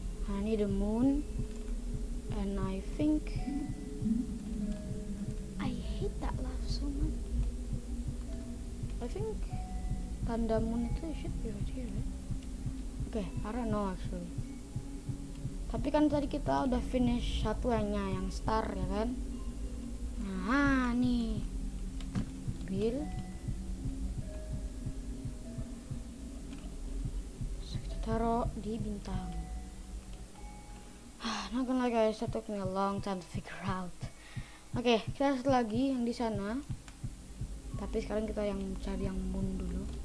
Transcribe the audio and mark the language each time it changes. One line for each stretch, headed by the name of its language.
English: I need the moon and I think I hate that laugh so much. I think
Indonesian: tanda
English: moon
Indonesian: itu
English: should be right here, right? Okay, I don't know actually.
Indonesian: Tapi kan tadi kita udah finish satu yang star ya kan. Nah nih bill. So kita taruh di bintang.
English: Not gonna lie guys, that took me a long time to figure out.
Indonesian: Okay, kita lihat lagi yang di sana. Tapi sekarang kita yang cari yang moon dulu.